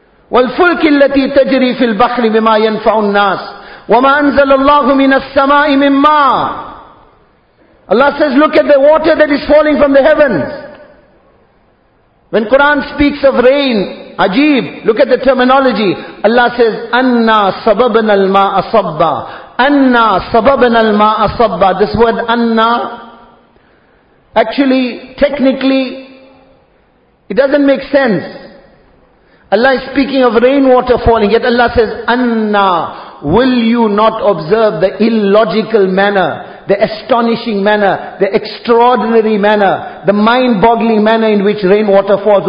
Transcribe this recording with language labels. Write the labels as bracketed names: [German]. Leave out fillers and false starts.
[Arabic] وَالْفُلْكِ الَّتِي تَجْرِي فِي الْبَحْرِ بِمَا يَنْفَعُ النَّاسِ وَمَا أَنزَلَ اللَّهُ مِنَ السَّمَاءِ مِنْ مَاءٍ. [English] Allah says, look at the water that is falling from the heavens. When Quran speaks of rain, ajeeb, look at the terminology. Allah says, [Arabic] أَنَّا صَبَبْنَا الْمَاءَ صَبَّا. Anna sababna al-ma'a sabba. [English] This word anna, actually, technically, it doesn't make sense. Allah is speaking of rainwater falling, yet Allah says, anna, will you not observe the illogical manner, the astonishing manner, the extraordinary manner, the mind-boggling manner in which rainwater falls?